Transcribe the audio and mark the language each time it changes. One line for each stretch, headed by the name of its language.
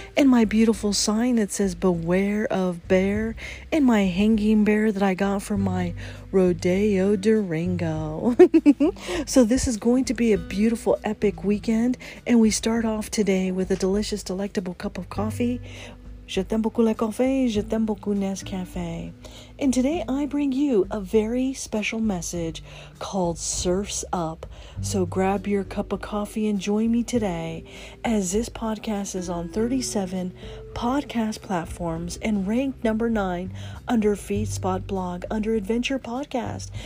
English: And my beautiful sign that says Beware of Bear. And my hanging bear that I got from my Rodeo Durango. So this is going to be a beautiful, epic weekend. And we start off today with a delicious, delectable cup of coffee.
French: Je t'aime beaucoup le café, je t'aime beaucoup Nescafe.
English: And today I bring you a very special message called Surf's Up. So grab your cup of coffee and join me today, as this podcast is on 37 podcast platforms and ranked number 9 under Feedspot blog under Adventure Podcast.